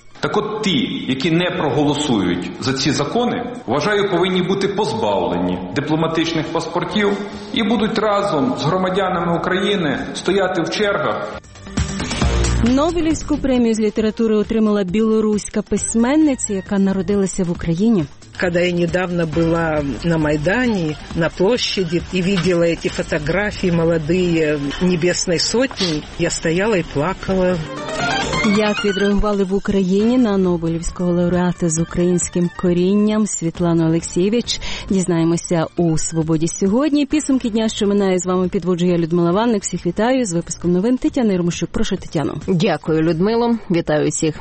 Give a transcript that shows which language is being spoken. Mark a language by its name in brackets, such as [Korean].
[Ukrainian] Так от ті, які не проголосують за ці закони, вважаю, повинні бути позбавлені дипломатичних паспортів і будуть разом з громадянами України стояти в чергах. Нобелівську премію з літератури отримала білоруська письменниця, яка народилася в Україні. [Russian] Когда я недавно была на Майдане, на площади, и видела эти фотографии молодые Небесной Сотни, я стояла и плакала. [Ukrainian] Як відреагували в Україні на Нобелівського лауреата з українським корінням Світлану Олексійович, дізнаємося у «Свободі сьогодні». Підсумки дня, що минає, з вами підводжу я, Людмила Ванник. Всіх вітаю з випуском новин Тетяни Ромашук. Прошу, Тетяно. Дякую, Людмило. Вітаю всіх.